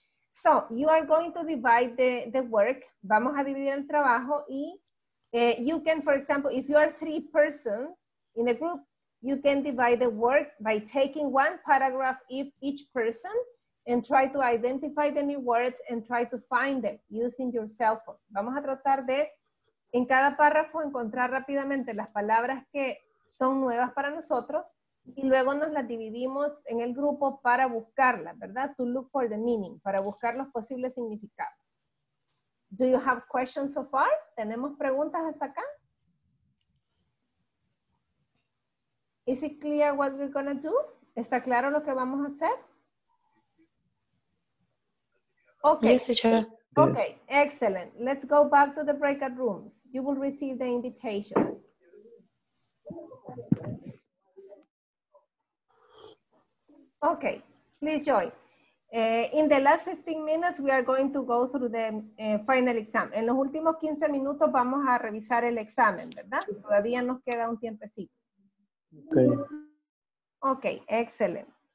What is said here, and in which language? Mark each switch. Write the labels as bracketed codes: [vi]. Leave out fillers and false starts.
[en] So, you are going to divide the work. [es] Vamos a dividir el trabajo y [en] you can, for example, if you are three persons in a group, you can divide the work by taking one paragraph if each person and try to identify the new words and try to find them using your cell phone. [es] Vamos a tratar de, en cada párrafo, encontrar rápidamente las palabras que son nuevas para nosotros y luego nos las dividimos en el grupo para buscarlas, ¿verdad? [en] To look for the meaning, [es] para buscar los posibles significados. [en] Do you have questions so far? [es] ¿Tenemos preguntas hasta acá? [en] Is it clear what we're gonna do? [es] ¿Está claro lo que vamos a hacer? [en] Okay. Yes, teacher. Okay, excellent. Let's go back to the breakout rooms. You will receive the invitation. Okay, please join. In the last 15 minutes, we are going to go through the final exam. [es] En los últimos 15 minutos vamos a revisar el examen, ¿verdad? Todavía nos queda un tiempecito. [en] Okay. Okay, excellent.